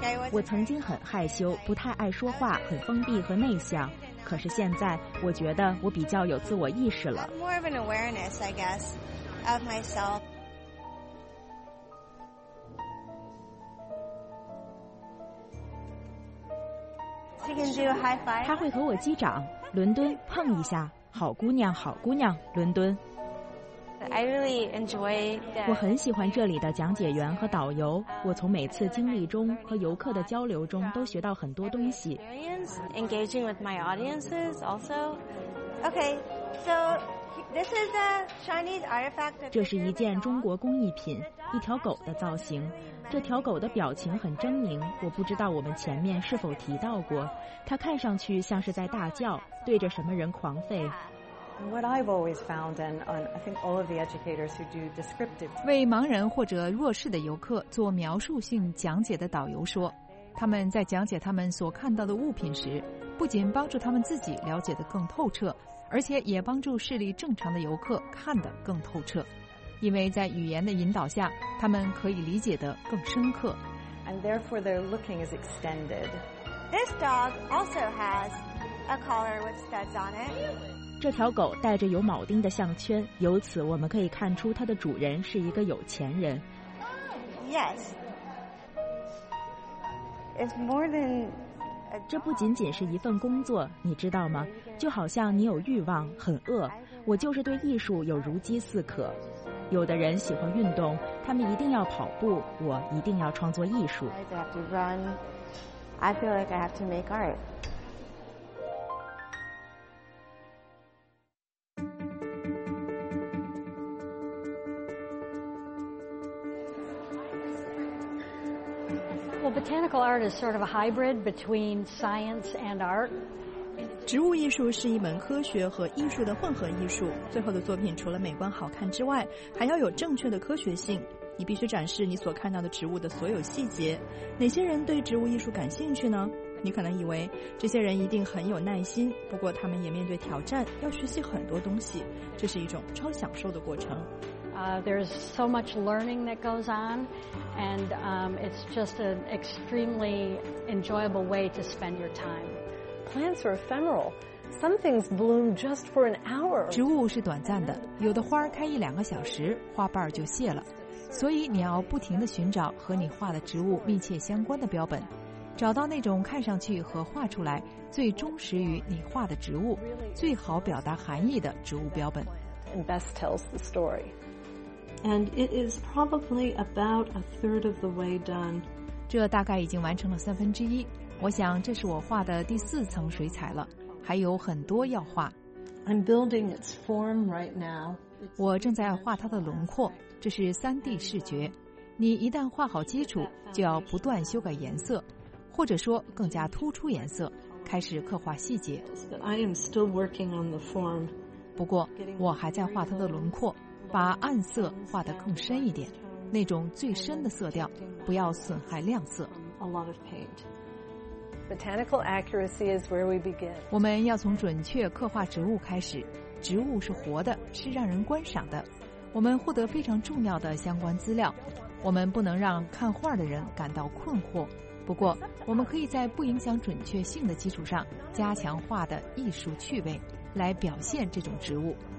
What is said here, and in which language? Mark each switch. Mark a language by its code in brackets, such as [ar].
[zh] 我曾经很害羞，不太爱说话，很封闭和内向。可是现在，我觉得我比较有自我意识了。 [en] More of an awareness, I guess, of myself. [zh] 他会和我击掌，伦敦碰一下。好姑娘，好姑娘，伦敦。 [en] I really enjoy. [zh] 我很喜欢这里的讲解员和导游。我从每次经历中和游客的交流中都学到很多东西。 [en] Engaging with my audiences also. Okay, so this is a Chinese artifact. [zh] 这是一件中国工艺品，一条狗的造型。这条狗的表情很狰狞，我不知道我们前面是否提到过。它看上去像是在大叫，对着什么人狂吠。 [en] What I've always found, and I think all of the educators who do descriptive, [zh] 为盲人或者弱势的游客做描述性讲解的导游说，他们在讲解他们所看到的物品时，不仅帮助他们自己了解得更透彻，而且也帮助视力正常的游客看得更透彻，因为在语言的引导下，他们可以理解得更深刻。 [en] And therefore, their looking is extended. This dog also has a collar with studs on it. [zh] 这条狗带着有铆钉的项圈，由此我们可以看出它的主人是一个有钱人。 [en] Yes. It's more than. [zh] 这不仅仅是一份工作，你知道吗？就好像你有欲望，很饿。我就是对艺术有如饥似渴。有的人喜欢运动，他们一定要跑步。我一定要创作艺术。 [en] I have to run. I feel like I have to make art. Botanical art is sort of a hybrid between science and art. [zh] 植物艺术是一门科学和艺术的混合艺术。最后的作品除了美观好看之外，还要有正确的科学性。你必须展示你所看到的植物的所有细节。哪些人对植物艺术感兴趣呢？你可能以为这些人一定很有耐心，不过他们也面对挑战，要学习很多东西。这是一种超享受的过程。 [en] There's so much learning that goes on, and it's just an extremely enjoyable way to spend your time. Plants are ephemeral. Some things bloom just for an hour. [zh] 植物是短暂的，有的花开一两个小时，花瓣就谢了。所以你要不停地寻找和你画的植物密切相关的标本，找到那种看上去和画出来最忠实于你画的植物、最好表达含义的植物标本。 [en] And best tells the story. And it is probably about a third of the way done. [zh] 这大概已经完成了三分之一。我想这是我画的第四层水彩了，还有很多要画。 [en] I'm building its form right now. [zh] 我正在画它的轮廓，这是 3D 视觉。你一旦画好基础，就要不断修改颜色，或者说更加突出颜色，开始刻画细节。 [en] I am still working on the form. [zh] 不过我还在画它的轮廓。把暗色画得更深一点，那种最深的色调，不要损害亮色。 [en] A lot of paint. Botanical accuracy is where we begin. [zh] 我们要从准确刻画植物开始。植物是活的，是让人观赏的。我们获得非常重要的相关资料。我们不能让看画的人感到困惑。不过，我们可以在不影响准确性的基础上，加强画的艺术趣味，来表现这种植物。